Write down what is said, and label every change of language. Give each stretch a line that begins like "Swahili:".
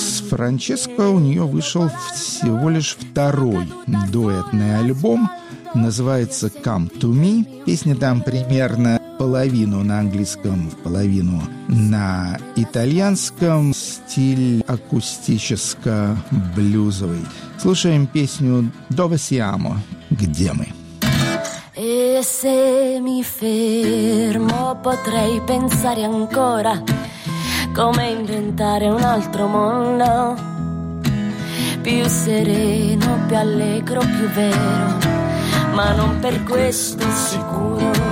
Russian: Франческо у нее вышел всего лишь второй дуэтный альбом. Называется «Come to me». Песня там примерно половину на английском, половину на итальянском. Стиль акустическо-блюзовый. Слушаем песню «Dove siamo?» – «Где мы?»
Italian: E se mi fermo potrei pensare ancora come inventare un altro mondo più sereno, più allegro, più vero, ma non per questo sicuro.